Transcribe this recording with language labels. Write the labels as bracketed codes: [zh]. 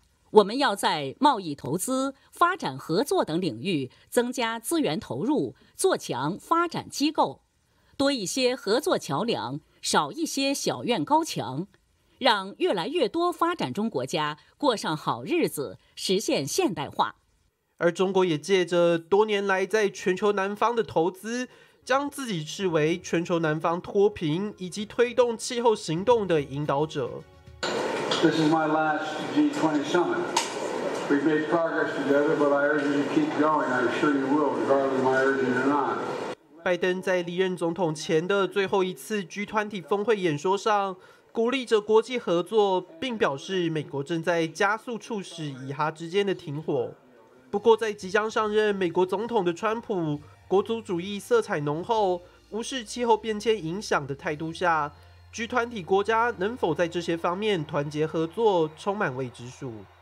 [zh] 我们要在贸易投资、发展合作等领域增加资源投入，做强发展机构，多一些合作桥梁，少一些小院高墙，让越来越多发展中国家过上好日子，实现现代化。而中国也借着多年来在全球南方的投资，将自己视为全球南方脱贫以及推动气候行动的引导者。 [en] This is my last G20 summit. We've made progress together, but I urge you to keep going. I'm sure you will, regardless of my urging or not. [zh] 拜登在离任总统前的最后一次 G20 峰会演说上，鼓励着国际合作，并表示美国正在加速促使以哈之间的停火。不过，在即将上任美国总统的川普，国族主义色彩浓厚、无视气候变迁影响的态度下 ，G20 国家能否在这些方面团结合作，充满未知数。